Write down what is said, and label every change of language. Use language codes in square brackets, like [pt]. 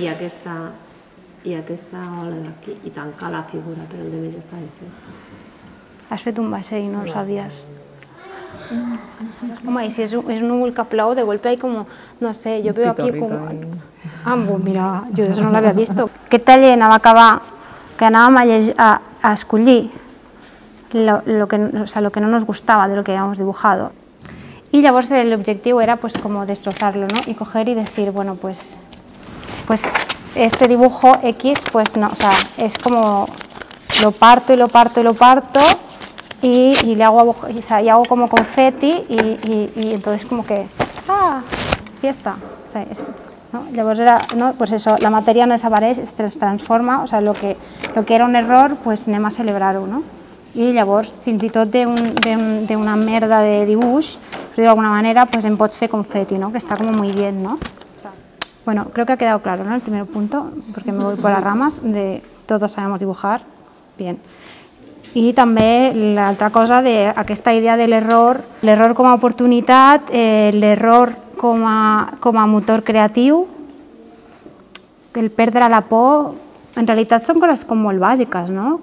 [ca] i aquesta ola d'aquí, i tancar la figura, però el deves estar fet. Has fet un vaixell i no ho sabies. Home, i si és un núvol que plou, [es] de golpe [ca] hi com... No sé, [es] jo veo aquí com... [ca] Ambo, mira, jo això no l'havia vist. Aquest taller anava a acabar, que anàvem a escollir [es] lo que no nos gustaba de lo que habíamos dibujado. Y llavors el objetivo era pues como destrozarlo, ¿no? Y coger y decir, bueno, pues este dibujo X pues no, o sea, es como lo parto y lo parto y lo parto y le hago, o sea, y hago como confeti y entonces como que ah, fiesta. O sea, es, ¿no? [ca] Llavors era, [es] ¿no? Pues eso, [ca] la materia no desapareix, es transforma, [es] o sea, lo que era un error, pues [ca] anem a celebrar-ho, ¿no? I llavors, fins i tot d'una merda de dibuix, d'alguna manera, pues em pots fer confeti, no? Que està com molt bé, no? [es] Bueno, creo que ha quedado claro, ¿no? El primer punto, porque me voy por las ramas, de todos sabemos dibujar, bien. [ca] I també l'altra cosa d'aquesta idea de l'error, l'error com a oportunitat, l'error com a motor creatiu, el perdre la por, en realitat són coses com molt bàsiques, no?